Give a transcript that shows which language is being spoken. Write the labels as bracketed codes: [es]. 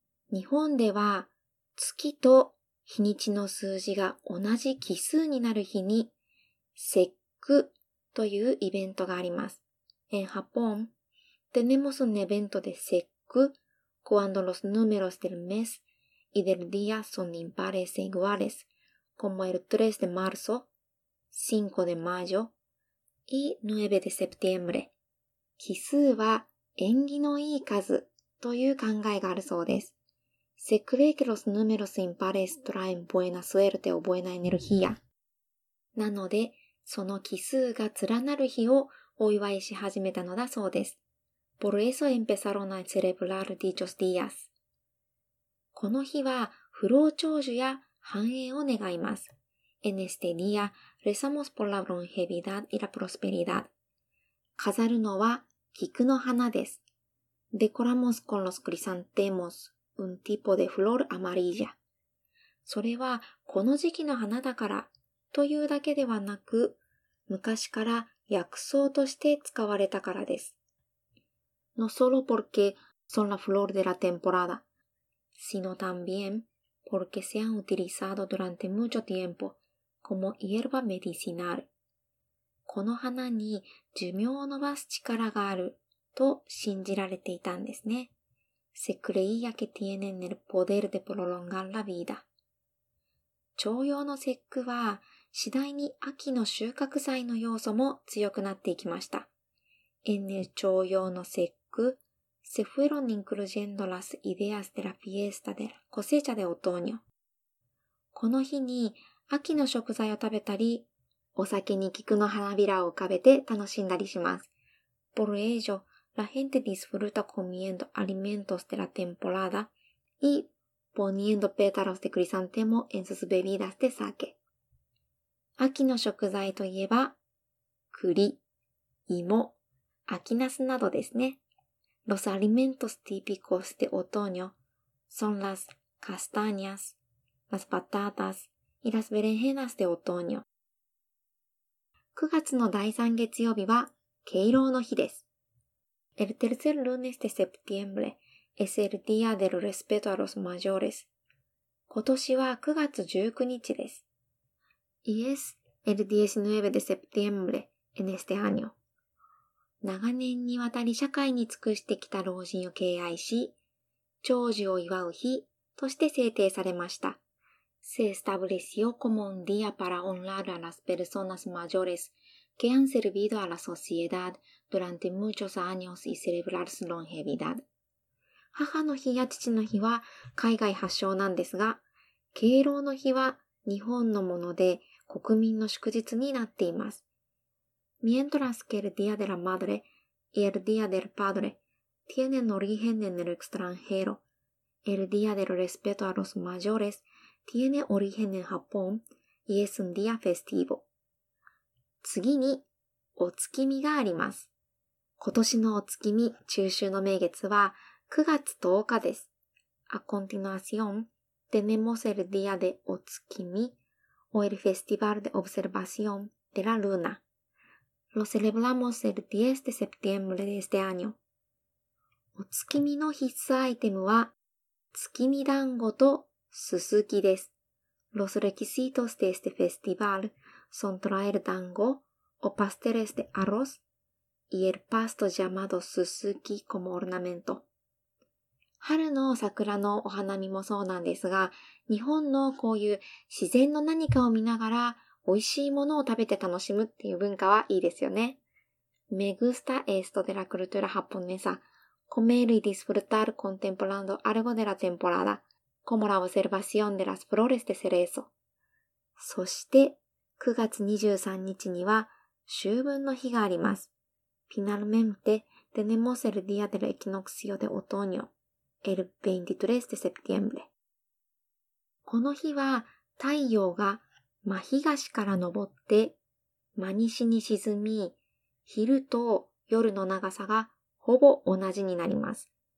[ja] 日本では月と日にちの数字が同じ奇数になる日に節句というイベントがあります。 [es] En Japón, tenemos un evento de Sekku cuando los números del mes y del día son impares e iguales, como el 3 de marzo, 5 de mayo y 9 de septiembre. [ja] 奇数は縁起のいい数という考えがあるそうです。 [es] Se cree que los números impares traen buena suerte o buena energía. [ja] なので、その奇数が連なる日をお祝いし始めたのだそうです。 [es] Por eso empezaron a celebrar dichos días. [ja] この日は不老長寿や繁栄を願います。 [es] En este día rezamos por la longevidad y la prosperidad. [ja] 飾るのは菊の花です。 [es] Decoramos con los crisantemos, un tipo de flor amarilla. [ja] それはこの時期の花だからというだけではなく、昔から薬草として使われたからです。 [es] No solo porque son la flor de la temporada, sino también porque se han utilizado durante mucho tiempo como hierba medicinal. [ja] この花に寿命を延ばす力があると信じられていたんですね。 [es] Se creía que tienen el poder de prolongar la vida. [ja] 重陽の節句は次第に秋の収穫祭の要素も強くなっていきました。 [es] En el 重陽の節句、se fueron incluyendo las ideas de la fiesta de la cosecha de otoño. [ja] この日に秋の食材を食べたり、お酒に菊の花びらを浮かべて楽しんだりします。 [es] Por ello, la gente disfruta comiendo alimentos de la temporada y poniendo pétalos de crisantemo en sus bebidas de sake. [ja] 秋の食材といえば、栗、芋、秋茄子などですね。 [es] Los alimentos típicos de otoño son las castañas, las patatas y las berenjenas de otoño. [ja] 9月の第3月曜日は敬老の日です。 [es] El tercer lunes de septiembre es el día del respeto a los mayores. [ja] 今年は9月19日です。 [es] Y es el 19 de septiembre en este año. [ja] 長年にわたり社会に尽くしてきた老人を敬愛し、長寿を祝う日として制定されました。 [es] Se estableció como un día para honrar a las personas mayores que han servido a la sociedad durante muchos años y celebrar su longevidad. [ja] 母の日や父の日は海外発祥なんですが、敬老の日は日本のもので国民の祝日になっています。 [es] Mientras que el Día de la Madre y el Día del Padre tienen origen en el extranjero, el Día del Respeto a los Mayores tiene origen en Japón y es un día festivo. [ja] 次に、お月見があります。今年のお月見、中秋の名月は9月10日です。 [es] A continuación, tenemos el Día de お月見 o el Festival de Observación de la Luna. Lo celebramos el 10 de septiembre de este año. [ja] お月見の必須アイテムは、月見団子とススキです。 [es] Los requisitos de este festival son traer dango o pasteles de arroz y el pasto llamado susuki como ornamento. [ja] 春の桜のお花見もそうなんですが、日本のこういう自然の何かを見ながら美味しいものを食べて楽しむっていう文化はいいですよね。 [es] Me gusta esto de la cultura japonesa. Comer y disfrutar contemplando algo de la temporada. Como la observación de las flores de cerezo. [ja] そして、9月23日には、秋分の日があります。 [es] Finalmente, tenemos el día del equinoccio de otoño, el 23 de septiembre. [ja] この日は、太陽が真東から昇って、真西に沈み、昼と夜の長さがほぼ同じになります。